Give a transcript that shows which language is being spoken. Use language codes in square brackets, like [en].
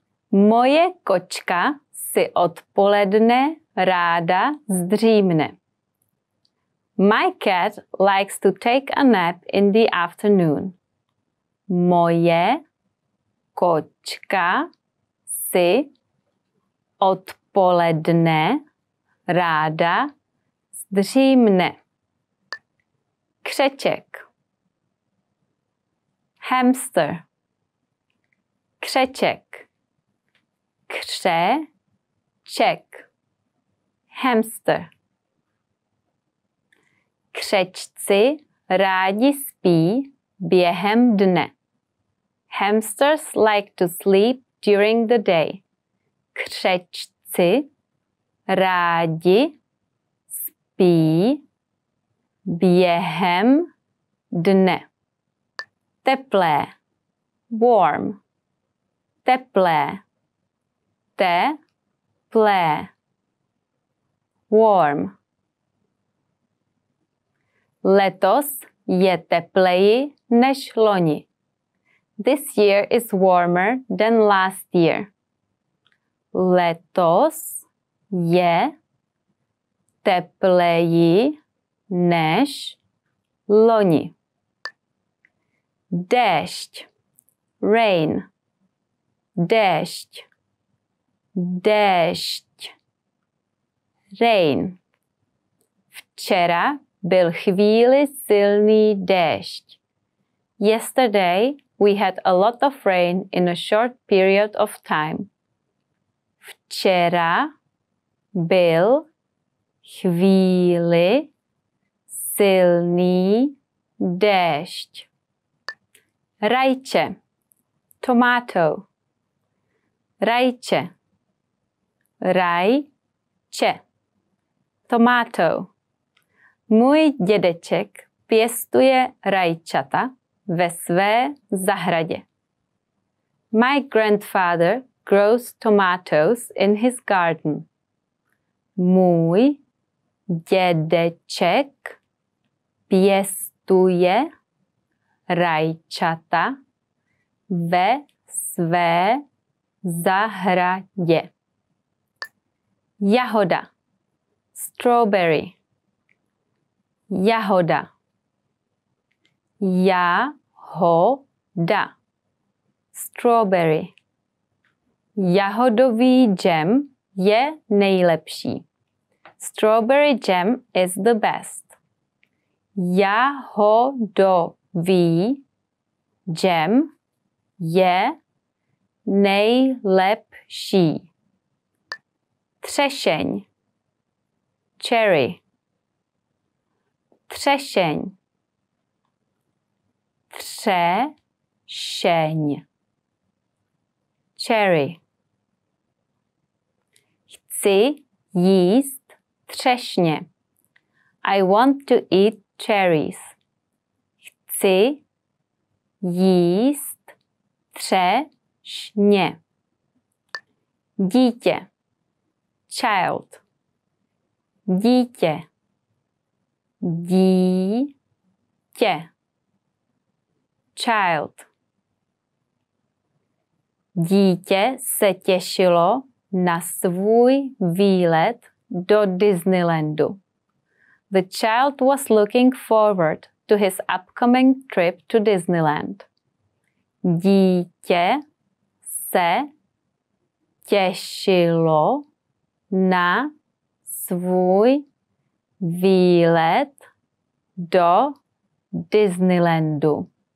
[cs] Moje kočka si odpoledne ráda zdřímne. [en] My cat likes to take a nap in the afternoon. [cs] Moje kočka si odpoledne ráda zdřímne. Křeček. [en] Hamster. [cs] Křeček. Křeček. [en] Hamster. [cs] Křečci rádi spí během dne. [en] Hamsters like to sleep during the day. [cs] Křečci rádi spí během dne. Teplé. [en] Warm. [cs] Teplé. Teplé. [en] Warm. [cs] Letos je tepleji než loni. [en] This year is warmer than last year. [cs] Letos je tepleji než loni. Dešť, rain. Dešť, dešť, rain. Včera byl chvíli silný dešť. [en] Yesterday we had a lot of rain in a short period of time. [cs] Včera byl chvíli silný dešť. Rajče, tomato. Rajče, rajče, tomato. Můj dědeček pěstuje rajčata ve své zahradě. [en] My grandfather grows tomatoes in his garden. [cs] Můj dědeček pěstuje rajčata ve své zahradě. Jahoda, strawberry. Jahoda, jahoda, strawberry. Jahodový džem je nejlepší. [en] Strawberry jam is the best. [cs] Jahodový džem je nejlepší. Třešeň, cherry. Třešeň, třešeň, cherry. Chci jíst třešně. [en] I want to eat cherries. [cs] Chci jíst třešně. Dítě, child. Dítě, dítě, child. Dítě se těšilo na svůj výlet do Disneylandu. [en] The child was looking forward to his upcoming trip to Disneyland. [cs] Dítě se těšilo na svůj výlet do Disneylandu.